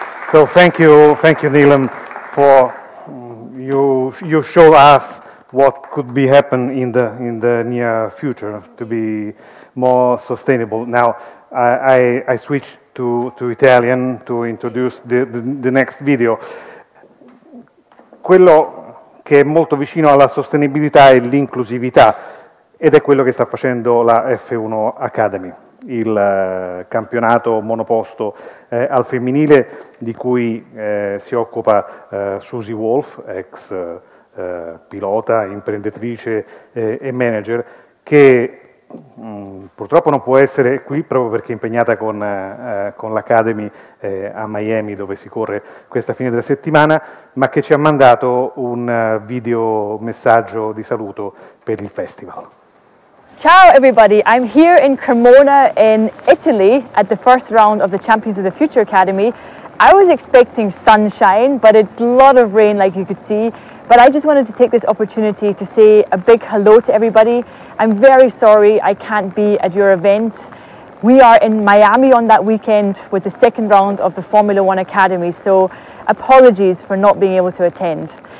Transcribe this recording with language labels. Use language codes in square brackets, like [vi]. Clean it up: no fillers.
[en] So thank you, Neelam, for you show us what could be happen in the near future to be more sustainable. Now I switch to Italian to introduce the next video. [it] Quello che è molto vicino alla sostenibilità è l'inclusività ed è quello che sta facendo la F1 Academy. Il campionato monoposto al femminile di cui si occupa Susie Wolf, ex pilota, imprenditrice e manager, che purtroppo non può essere qui proprio perché è impegnata con l'Academy a Miami, dove si corre questa fine della settimana, ma che ci ha mandato un video messaggio di saluto per il festival. [en] Ciao everybody, I'm here in Cremona in Italy at the first round of the Champions of the Future Academy. I was expecting sunshine, but it's a lot of rain like you could see. But I just wanted to take this opportunity to say a big hello to everybody. I'm very sorry I can't be at your event. We are in Miami on that weekend with the second round of the Formula One Academy, so apologies for not being able to attend.